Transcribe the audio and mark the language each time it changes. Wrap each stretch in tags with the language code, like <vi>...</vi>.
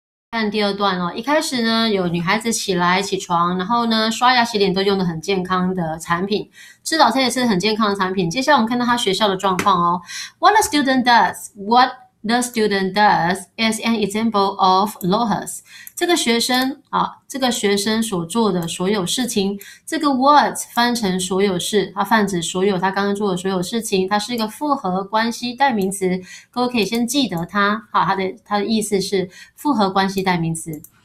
<zh>看第二段哦，一开始呢，有女孩子起来起床，然后呢，刷牙洗脸都用的很健康的产品，吃早餐也是很健康的产品。接下来我们看到她学校的状况哦。</zh> <en>What a student does, what the student does is an example of Lohas。</en> <zh>这个学生啊，这个学生所做的所有事情，这个 what 翻成所有事，它泛指所有他刚刚做的所有事情，它是一个复合关系代名词。各位可以先记得它，好，它的意思是复合关系代名词。</zh>